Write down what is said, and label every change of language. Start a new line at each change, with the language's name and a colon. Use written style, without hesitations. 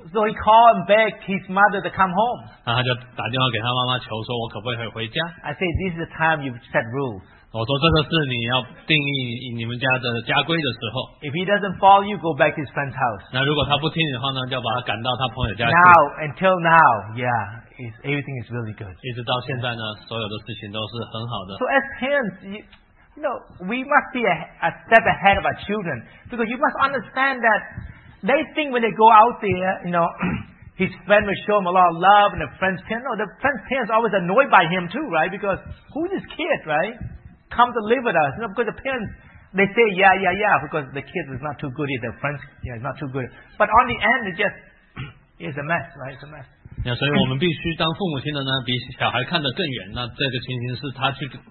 English: So he called and begged his mother to come home.
Chinese: 那他就打电话给他妈妈求说，我可不可以回家？
English: I say this is the time you set rules.
Chinese: 我说这个是你要定义你们家的家规的时候。
English: If he doesn't follow you, go back to his friend's house.
Chinese: 那如果他不听的话呢，就把他赶到他朋友家去。
English: Now, until now, yeah, everything is really good.
Chinese: 一直到现在呢，所有的事情都是很好的。
English: So as parents, you know, we must be a step ahead of our children, because you must understand that they think when they go out there, you know, his friend will show him a lot of love and the friend's parents. No, the friend's parents are always annoyed by him too, right? Because who's this kid, right? Come to live with us. You know, because the parents, they say, yeah, because the kid is not too good either. The friend's, yeah, is not too good. But on the end, it just is a mess, right? It's a mess.
Chinese: 那所以我们必须当父母亲的呢，比小孩看得更远。那这个情形是他去。